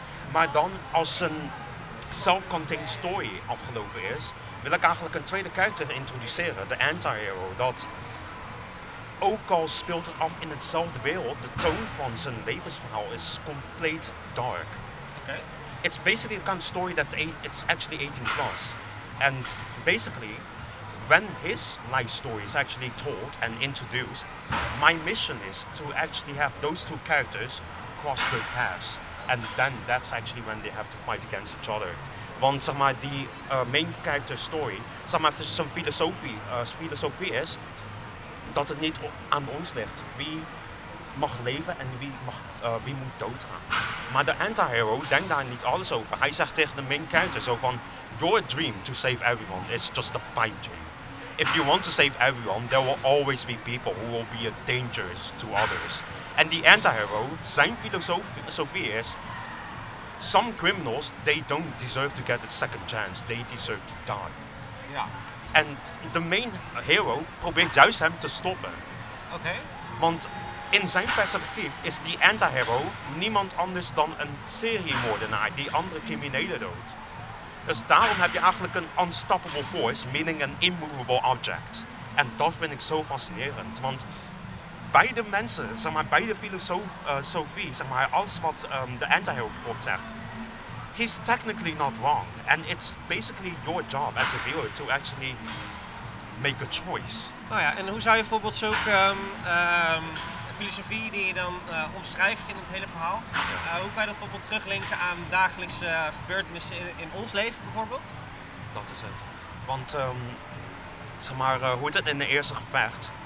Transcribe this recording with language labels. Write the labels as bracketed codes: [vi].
[nl] Maar dan als een self-contained story afgelopen is, wil ik eigenlijk een tweede karakter introduceren, de anti-hero, dat ook al speelt het af in hetzelfde wereld, de toon van zijn levensverhaal is compleet dark. Okay. [en] It's basically the kind of story that it's actually 18 plus. And basically, when his life story is actually told and introduced, my mission is to actually have those two characters cross their paths. And then that's actually when they have to fight against each other. [nl] Want die main character story, zijn filosofie is dat het niet aan ons ligt wie mag leven en wie moet doodgaan. Maar de anti-hero denkt daar niet alles over. Hij zegt tegen de main character zo van, [en] your dream to save everyone is just a pipe dream. If you want to save everyone, there will always be people who will be a danger to others. [nl] En die anti-hero, zijn filosofie is, [en] some criminals, they don't deserve to get a second chance, they deserve to die. [nl] Ja. En de main hero probeert juist hem te stoppen. Okay. Want in zijn perspectief is die anti-hero niemand anders dan een seriemoordenaar die andere criminelen doodt. Dus daarom heb je eigenlijk een [en] unstoppable force, meaning an immovable object. [nl] En dat vind ik zo fascinerend, want beide mensen, beide filosofie, alles wat de anti-hero bijvoorbeeld zegt, [en] he's technically not wrong. And it's basically your job as a viewer to actually make a choice. [nl] Oh ja, en hoe zou je bijvoorbeeld zulke filosofie die je dan omschrijft in het hele verhaal, hoe kan je dat bijvoorbeeld teruglinken aan dagelijkse gebeurtenissen in ons leven bijvoorbeeld? Dat is het. Want hoort het in de eerste gevecht?